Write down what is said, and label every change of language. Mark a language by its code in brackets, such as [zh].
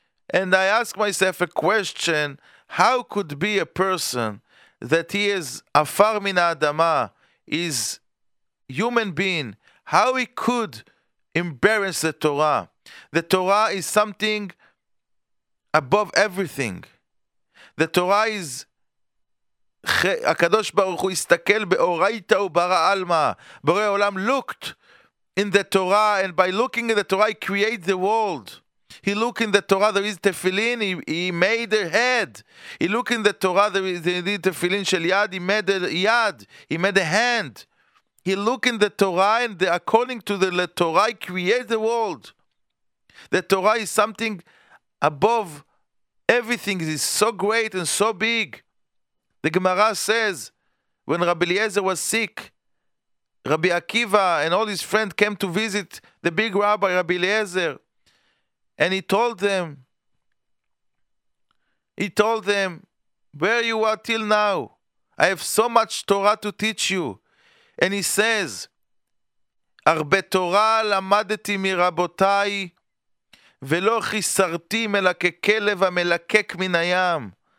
[en] And I ask myself a question, how could be a person that he is [he] afar min ha'adama, [en] is human being, how he could embarrass the Torah? The Torah is something above everything. The Torah is [he] הקדוש ברוך הוא הסתכל באורייתא וברא אלמא. [en] בורא עולם looked in the Torah, and by looking in the Torah, he created the world. He looked in the Torah, there is tefillin, he made a head. He looked in the Torah, there is tefillin shel yad, he made a yad, he made a hand. He looked in the Torah, and the, according to the Torah, he created the world. The Torah is something above everything. It is so great and so big. The Gemara says, when Rabbi Eliezer was sick, Rabbi Akiva and all his friends came to visit the big rabbi, Rabbi Eliezer. And he told them, where you are till now? I have so much Torah to teach you. And he says, [he] הרבה תורה למדתי מרבותיי, ולא חיסרתי מלקקלב המלקק מן הים.